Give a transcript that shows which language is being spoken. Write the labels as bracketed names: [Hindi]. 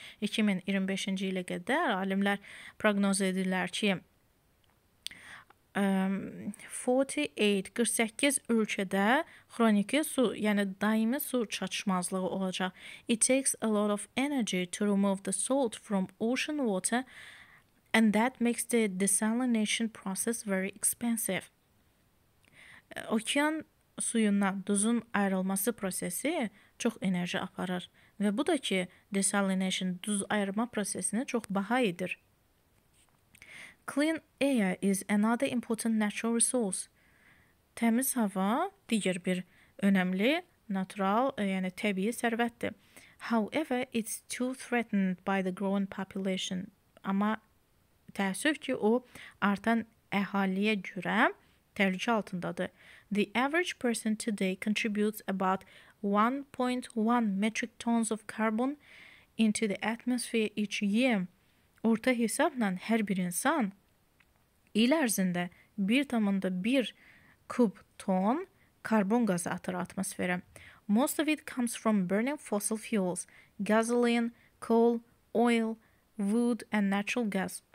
[Azerbaijani] 2025-ci ilə qədər alimlər proqnoz edirlər ki, 48 ölkədə xroniki su, yəni daimi su çatışmazlığı olacaq. [English] It takes a lot of energy to remove the salt from ocean water And that makes the desalination process very expensive. [Azerbaijani] Okean suyundan duzun ayrılması prosesi çox enerji aparır və bu da ki, [English] desalination [Azerbaijani] duz ayırma prosesini çox baha edir. [English] Clean air is another important natural resource. [Azerbaijani] Təmiz hava digər bir önəmli [English] natural, [Azerbaijani] yəni təbii sərvətdir. [English] However, it's too threatened by the growing population. [Azerbaijani] Amma təəssüf ki, o artan əhaliyə görə təhlükə altındadır. [English] The average person today contributes about 1.1 metric tons of carbon into the atmosphere each year. [Azerbaijani] Orta hesabla hər bir insan il ərzində 1.1 kub ton karbon qazı atır atmosferə. [English] Most of it comes from burning fossil fuels, gasoline, coal, oil, wood and natural gas.